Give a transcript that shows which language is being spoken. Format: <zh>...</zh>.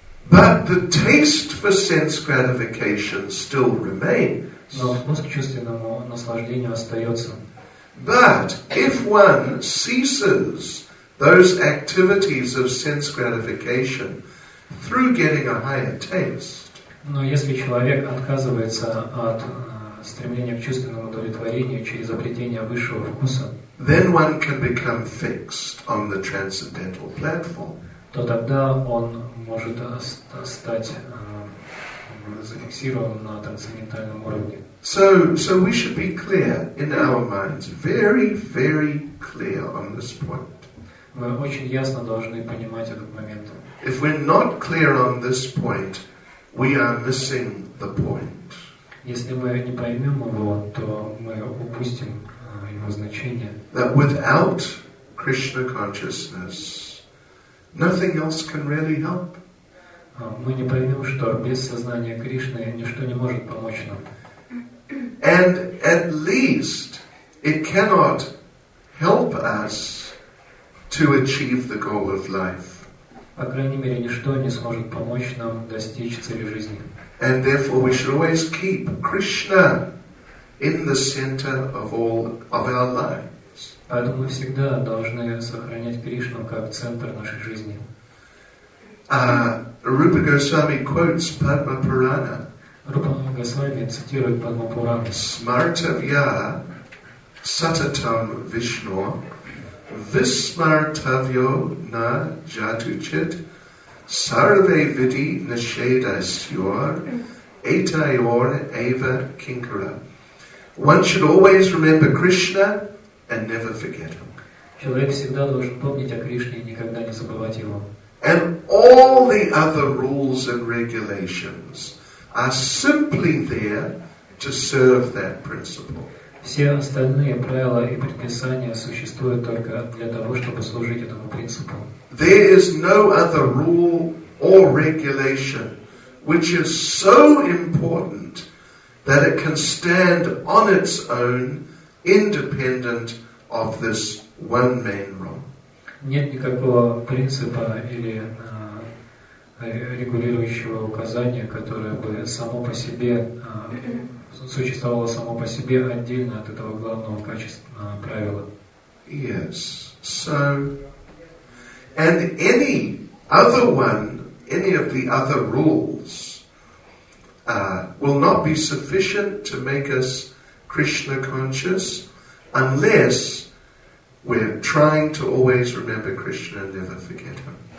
<en>But the taste for sense gratification still remains.</en> <ru>Но вкус к чувственному наслаждению остается.</ru> <en>But if one ceases those activities of sense gratification through getting a higher taste.</en> <ru>Но если человек отказывается от стремления к чувственному удовлетворению через обретение высшего вкуса,</ru> <en>then one can become fixed on the transcendental platform.</en> <ru>То тогда он может стать зафиксирован на трансцендентальном уровне.</ru> <en>So we should be clear in our minds, very, very clear on this point.</en> <ru>Мы очень ясно должны понимать этот момент.</ru> <en>If we're not clear on this point, we are missing the point.</en> <ru>Если мы не поймем его, то мы упустим его значение.</ru> <en>That without Krishna consciousness, nothing else can really help.</en> <ru>Мы не поймем, что без сознания Кришны ничто не может помочь нам.</ru> <en>And at least it cannot help us to achieve the goal of life.</en> <ru>По крайней мере, ничто не сможет помочь нам достичь цели жизни.</ru> <en>And therefore we should always keep Krishna in the center of all of our lives.</en> <ru>Поэтому мы всегда должны сохранять Кришну как центр нашей жизни.</ru> <en>Rupa Goswami quotes Padma Purana.</en> <ru>Рупа Госвами цитирует Падма Пурану.</ru> <sa>Smartavya satatam Vishnu Vismartavyo na jatuchit sarve vidi nisheda syor etayor eva kinkara.</sa> <en>One should always remember Krishna and never forget him.</en> <ru>Человек всегда должен помнить о Кришне и никогда не забывать его.</ru> <en>And all the other rules and regulations are simply there to serve that principle.</en> <ru>Все остальные правила и предписания существуют только для того, чтобы служить этому принципу.</ru> <en>There is no other rule or regulation which is so important that it can stand on its own independent of this one main rule.</en> <ru>Нет никакого принципа или регулирующего указания, которое бы само по себе существовало само по себе отдельно от этого главного качества правила.</ru> <en>Yes. So, and any other one, any of the other rules, will not be sufficient to make us Krishna conscious unless we're trying to always remember Krishna and never forget him.</en>